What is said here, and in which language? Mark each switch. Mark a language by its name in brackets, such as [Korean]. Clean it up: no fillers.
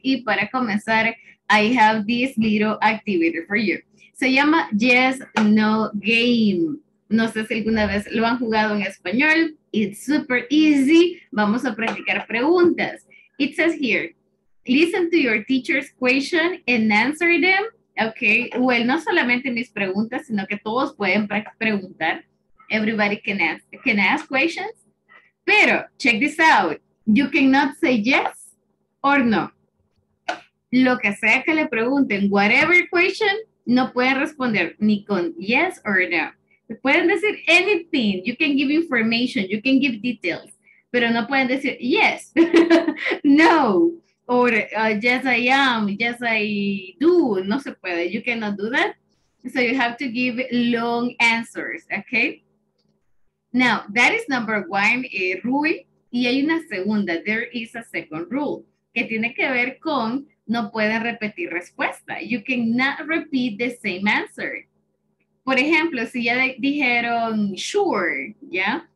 [Spanish] Y para comenzar, [English] I have this little activity for you. [Spanish] Se llama [English] Yes, No Game. [Spanish] No sé si alguna vez lo han jugado en español. [English] It's super easy. [Spanish] Vamos a practicar preguntas. [English] It says here, listen to your teacher's question and answer them. [Spanish] Okay, well, no solamente mis preguntas, sino que todos pueden preguntar. [English] Everybody can ask questions. Pero, check this out. You cannot say yes or no. [Spanish] Lo que sea que le pregunten, [English] whatever question, [Spanish] no puede responder ni con yes or no. Pueden decir [English] anything. You can give information. You can give details. [Spanish] Pero no pueden decir yes, no, or [English] yes, I am, yes, I do. [Spanish] No se puede. [English] You cannot do that. So you have to give long answers, okay? Now, that is number one, rule. [Spanish] Y hay una segunda. [English] There is a second rule [Spanish] que tiene que ver con no pueden repetir respuesta. [English] You cannot repeat the same answer. [Spanish] Por ejemplo, si ya dijeron [English] sure, ¿ya?